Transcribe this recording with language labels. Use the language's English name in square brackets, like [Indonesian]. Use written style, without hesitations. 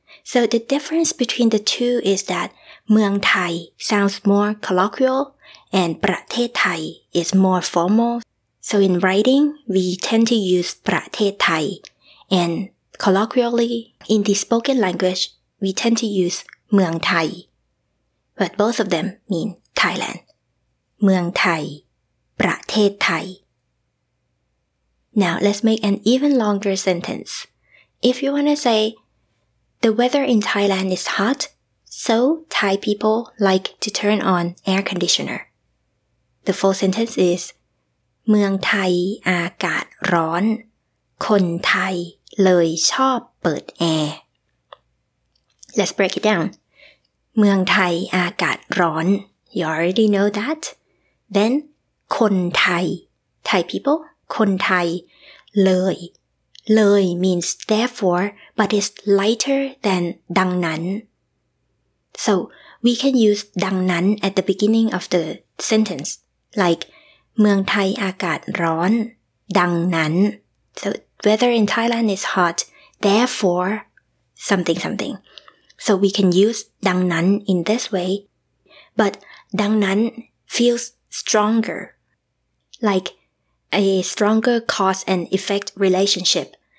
[English] So the difference between the two is that เมืองไทย sounds more colloquial and ประเทศไทย is more formal. So in writing, we tend to use ประเทศไทย and colloquially, in the spoken language, we tend to use เมืองไทย but both of them mean Thailand. เมืองไทยประเทศไทย Now let's make an even longer sentence. If you want to say the weather in Thailand is hot, so Thai people like to turn on air conditioner. The full sentence is [Thai] เมืองไทยอากาศร้อนคนไทยเลยชอบเปิดแอร์ [English] Let's break it down. [Thai] เมืองไทยอากาศร้อน [English] You already know that. Thenคนไทย Thai people [Thai] คนไทยเลยเลย [English] means therefore but is lighter than ดังนั้น so we can use ดังนั้น at the beginning of the sentence like [Thai] เมืองไทยอากาศร้อนดังนั้น [English] so weather in Thailand is hot therefore something something so we can use ดังนั้น in this way but ดังนั้น feels strongerLike a stronger cause and effect relationship.